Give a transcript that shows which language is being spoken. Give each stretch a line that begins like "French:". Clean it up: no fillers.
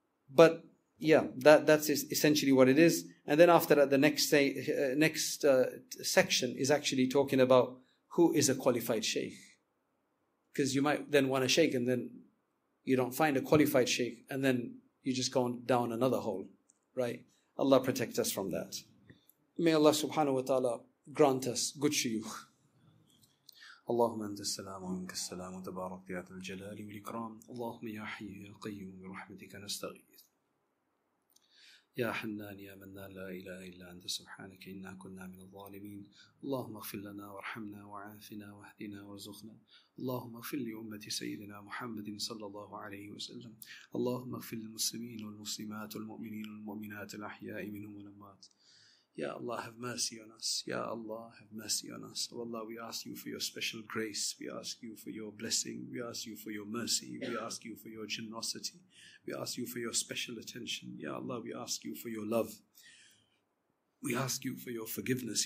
English: But yeah, that's essentially what it is. And then after that, the next section is actually talking about who is a qualified Shaykh. Because you might then want a Shaykh and then you don't find a qualified Shaykh, and then you just go down another hole, right? Allah protect us from that. May Allah subhanahu wa ta'ala grant us good shuyukh.
Arabic: اللهم أنت السلام ومنك السلام وتبارك يا ذا الجلال والإكرام اللهم يا حي يا قيوم برحمتك نستغيث يا حنان يا منان لا إله إلا أنت سبحانك إنا كنا من الظالمين اللهم اغفر لنا وارحمنا وعافنا واهدنا وارزقنا اللهم اغفر لأمة سيدنا محمد صلى الله عليه وسلم اللهم اغفر للمسلمين والمسلمات والمؤمنين والمؤمنات الأحياء منهم والأموات.
English: Ya Allah, have mercy on us. Ya Allah, have mercy on us. Oh Allah, we ask you for your special grace. We ask you for your blessing. We ask you for your mercy. We ask you for your generosity. We ask you for your special attention. Ya Allah, we ask you for your love. We ask you for your forgiveness.